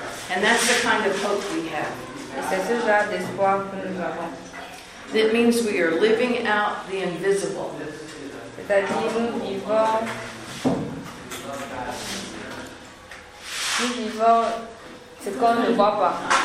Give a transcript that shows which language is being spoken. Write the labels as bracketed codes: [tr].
[en] And that's the kind of hope we have. [fr] Et c'est ce genre d'espoir que nous avons. [en] That means we are living out the invisible. [fr] C'est-à-dire nous vivons ce qu'on ne voit pas.